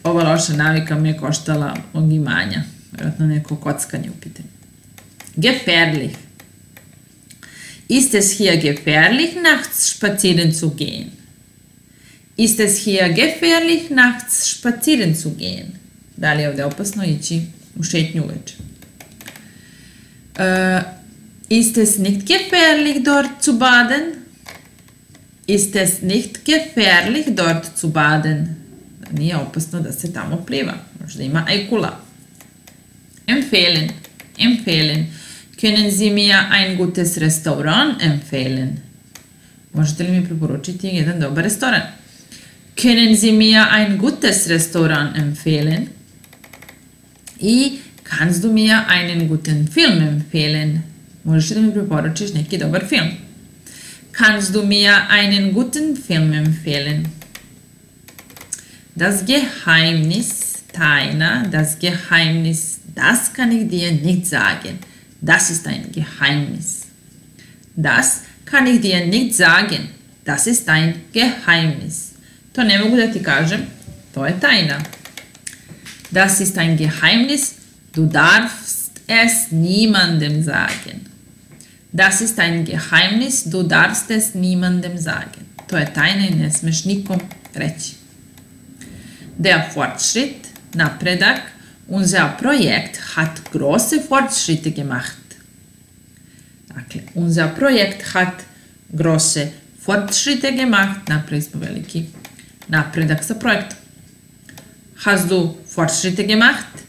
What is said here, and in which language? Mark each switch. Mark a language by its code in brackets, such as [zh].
[sr] Ova loša navika mi je koštala mnogo imanja, vjerojatno neko kockanje u pitanju. Gefährlich. [de] Ist es hier gefährlich, nachts spazieren zu gehen? Ist es hier gefährlich, nachts spazieren zu gehen? [sr] Da li je ovdje opasno ići u šetnju uveč? [de] Ist es nicht gefährlich, dort zu baden? Ist es nicht gefährlich, dort zu baden? [sr] Nije opasno da se tamo pliva. Možda ima ajkula. Empfehlen. [de] Können Sie mir ein gutes Restaurant empfehlen? [sr] Možete li mi preporučiti jedan dobar restoran? [de] Können Sie mir ein gutes Restaurant empfehlen? I kannst du mir einen guten Film empfehlen? [sr] Možete li mi preporučiš neki dobar film? [de] Kannst du mir einen guten Film empfehlen? Das Geheimnis, tajna, das Geheimnis, das kann ich dir nicht sagen. Das ist ein Geheimnis. Das kann ich dir nicht sagen. Das ist ein Geheimnis. To ne mogu da ti kažem, to je tajna. Das ist ein Geheimnis. Du darfst es niemandem sagen. Das ist ein Geheimnis. Du darfst es niemandem sagen. [sr] To je tajna i ne smeš nikom reći. [de] Der Fortschritt, napredak, unser Projekt hat große Fortschritte gemacht. Dakle, unser Projekt hat große Fortschritte gemacht. [sr] Napredak smo veliki. Napredak sa projektom. [de] Hast du Fortschritte gemacht?